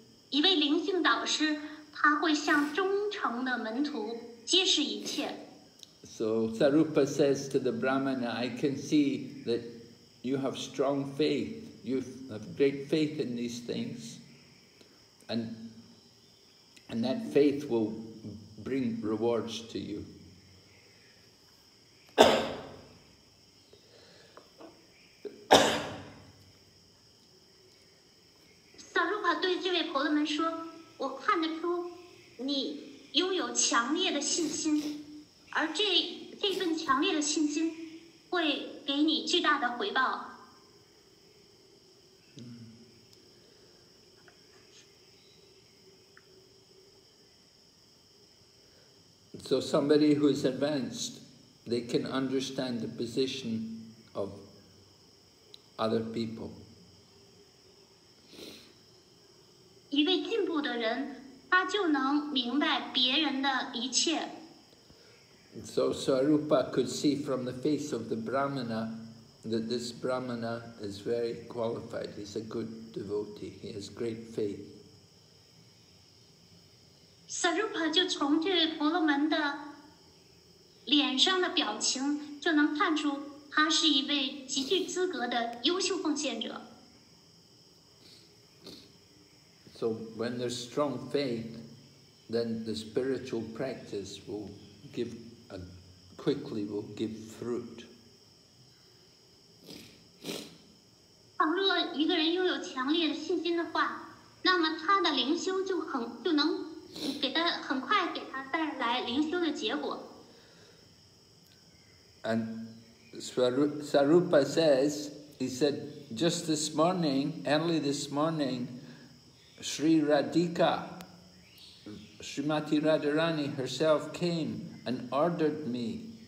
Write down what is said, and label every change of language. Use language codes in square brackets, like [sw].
[zh] 一位灵性导师，他会向忠诚的门徒揭示一切。 [en] So Sarupa says to the Brahmana, I can see that you have strong faith, you have great faith in these things, and that faith will bring rewards to you. [zh] Sarupa 对这位婆罗门说，我看得出你拥有强烈的信心，而这份强烈的信心会给你巨大的回报。 [en] So somebody who is advanced, they can understand the position of other people. [zh] 一位进步的人，他就能明白别人的一切。 [en] So Sarupa could see from the face of the Brahmana that this Brahmana is very qualified. He's a good devotee. He has great faith. [zh] Sarupa 就从这位婆罗门的脸上的表情就能看出他是一位极具资格的优秀奉献者。 [en] So when there's strong faith, then the spiritual practice will give. Quickly will give fruit. [zh] 倘若一个人拥有强烈的信心的话，那么他的灵修就能给他很快给他带来灵修的结果。 [en] And Sarupa says, he said, just this morning, early this morning, Sri Radhika, Srimati Radharani herself came and ordered me.